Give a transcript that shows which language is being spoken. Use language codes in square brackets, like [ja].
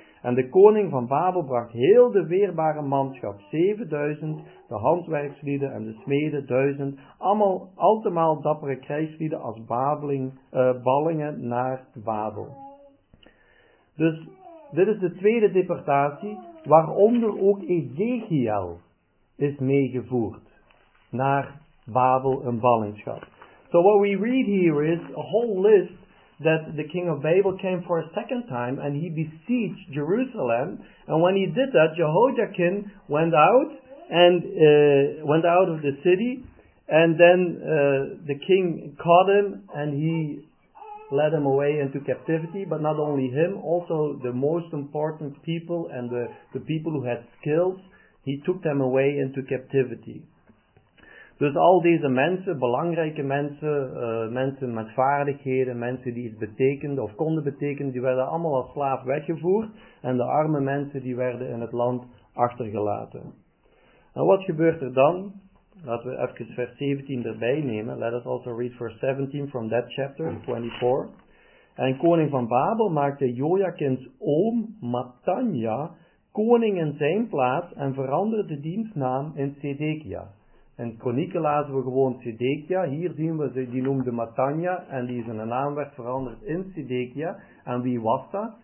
[nl] En de koning van Babel bracht heel de weerbare manschap, 7.000, de handwerkslieden en de smeden, 1.000, allemaal altemaal dappere krijgslieden als ballingen naar Babel. Dus dit is de tweede deportatie, waaronder ook Ezechiël is meegevoerd naar Babel in ballingschap. [en] So what we read here is a whole list that the king of Babel came for a second time and he besieged Jerusalem. And when he did that, Jehoiakim went out and went out of the city. And then the king caught him and he led him away into captivity. But not only him, also the most important people and the people who had skills. He took them away into captivity. [nl] Dus al deze mensen, belangrijke mensen, mensen met vaardigheden, mensen die iets betekenden of konden betekenen, die werden allemaal als slaaf weggevoerd. En de arme mensen die werden in het land achtergelaten. En wat gebeurt er dan? Laten we even vers 17 erbij nemen. [en] Let us also read verse 17 from that chapter, 24. [nl] En koning van Babel maakte Jojakins oom Matanja koning in zijn plaats en veranderde dienstnaam in Zedekia. In Kronieken lazen we gewoon Zedekia. Hier zien we, die noemde Matanja en die zijn naam werd veranderd in Zedekia. En wie was dat?